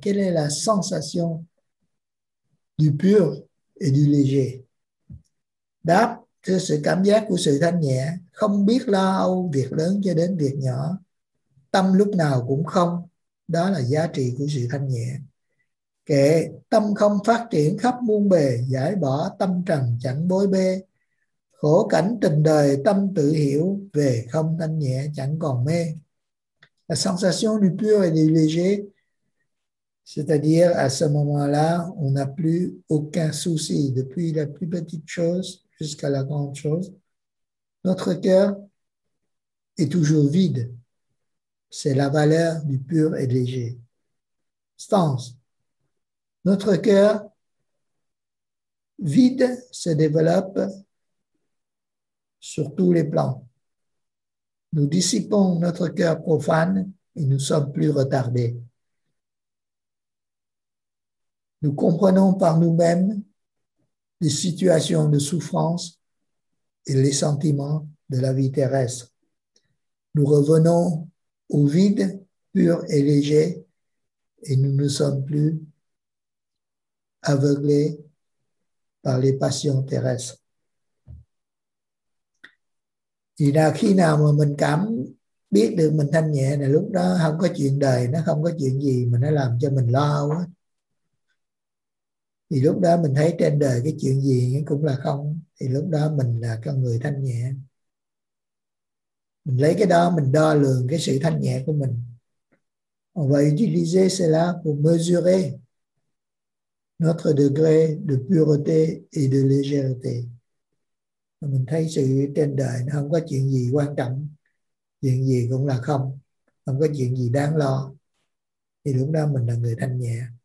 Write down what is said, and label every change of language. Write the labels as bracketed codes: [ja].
[fr] Quelle est la sensation du pur et du léger? [vi] Đáp, sự cảm giác của sự thanh nhẹ, không biết lo âu việc lớn cho đến việc nhỏ, tâm lúc nào cũng không, đó là giá trị của sự thanh nhẹ. Kệ tâm không phát triển khắp muôn bề, giải bỏ tâm trần chẳng bối bê, khổ cảnh tình đời tâm tự hiểu, về không thanh nhẹ chẳng còn mê. [fr] la sensation du pur et du léger, c'est-à-dire à ce moment-là, on n'a plus aucun souci, depuis la plus petite chose jusqu'à la grande chose. Notre cœur est toujours vide. C'est la valeur du pur et léger. Stance. Notre cœur vide se développe sur tous les plans. Nous dissipons notre cœur profane et nous sommes plus retardés. Nous comprenons par nous-mêmes les situations de souffrance et les sentiments de la vie terrestre. Nous revenons au vide pur et léger et nous ne sommes plus aveuglés par les passions terrestres. [vi] Thì là khi nào mà mình cảm biết được mình thanh nhẹ là lúc đó không có chuyện đời, nó không có chuyện gì mà nó làm cho mình lo quá. Thì lúc đó mình thấy trên đời cái chuyện gì cũng là không. Thì lúc đó mình là con người thanh nhẹ. Mình lấy cái đó mình đo lường cái sự thanh nhẹ của mình. [fr] On va utiliser cela pour mesurer notre degré de pureté et de légèreté. [vi] Mình thấy sự trên đời nó không có chuyện gì quan trọng, chuyện gì cũng là không, không có chuyện gì đáng lo. Thì lúc đó mình là người thanh nhẹ.